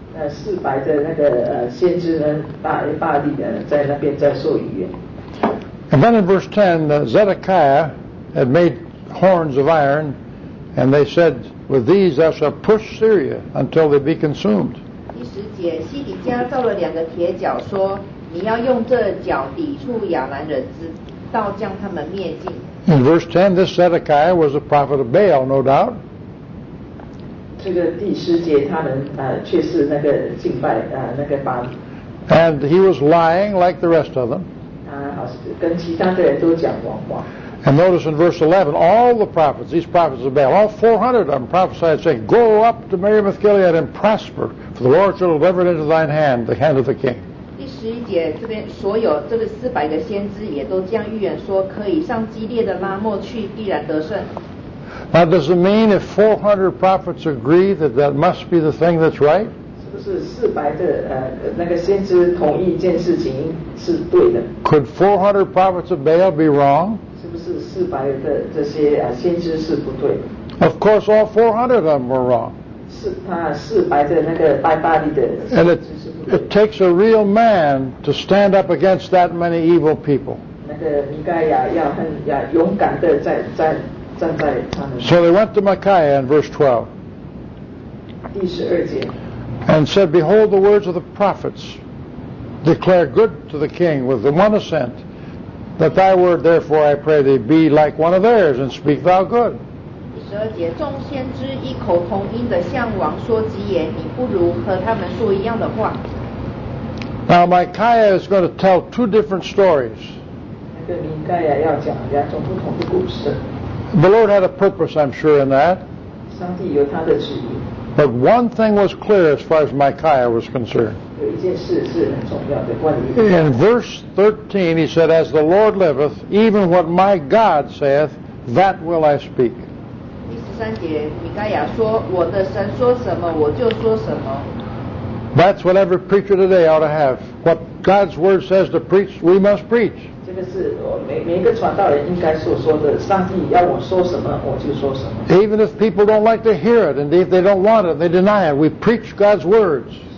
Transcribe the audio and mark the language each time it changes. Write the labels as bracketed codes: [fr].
[zh] 四百的那个先知呢，大力的在那边在说预言。 [en] And then in verse 10, Zedekiah. Had made horns of iron, and they said, "With these thou shalt push Syria until they be consumed." [zh] 第十节，西底家造了两个铁角，说，你要用这角抵触亚兰人之，到将他们灭尽。 [en] In verse 10, this Zedekiah was a prophet of Baal, no doubt. [zh] 这个第十节，他们却是那个敬拜那个巴力。 [en] And he was lying like the rest of them. [zh] 跟其他的人都讲谎话。 [en] And notice in verse 11, all the prophets, these prophets of Baal, all 400 of them prophesied, saying, Go up to Meribeth Gilead and prosper, for the Lord shall deliver it into thine hand, the hand of the king. [zh] 第十一节，这边所有这个四百个先知也都这样预言说，可以上基列的拉莫去，必然得胜。 [en] Now does it mean if 400 prophets agree that that must be the thing that's right? [zh] 是不是四百的那个先知同意一件事情是对的？ [en] Could 400 prophets of Baal be wrong? [zh] 是不是四百的这些先知是不对的？ [en] Of course, all 400 of them were wrong. [zh] 是他四百的那个拜巴利的。 [en] And it takes a real man to stand up against that many evil people. [zh] 那个米盖亚要勇敢的站在他们。 [en] So they went to Micaiah in verse 12. [zh] 第十二节。 [en] And said, Behold, the words of the prophets declare good to the king with the one assent. That thy word, therefore, I pray thee, be like one of theirs, and speak thou good. [zh] 第十二节，众先知一口同音的向王说吉言，你不如和他们说一样的话。 [en] Now Micaiah is going to tell two different stories. [zh] 那个米盖亚要讲两种不同的故事。 [en] The Lord had a purpose, I'm sure, in that. [zh] 上帝有他的旨意。 [en] But one thing was clear as far as Micaiah was concerned. In verse 13, he said, As the Lord liveth, even what my God saith, that will I speak. [zh] 第十三节，米盖亚说，我的神说什么，我就说什么。 [en] That's what every preacher today ought to have. What God's word says to preach, we must preach. [zh] 这个是每一个传道人应该所说的，上帝要我说什么，我就说什么。 [en] Even if people don't like to hear it, and if they don't want it, they deny it, we preach God's words.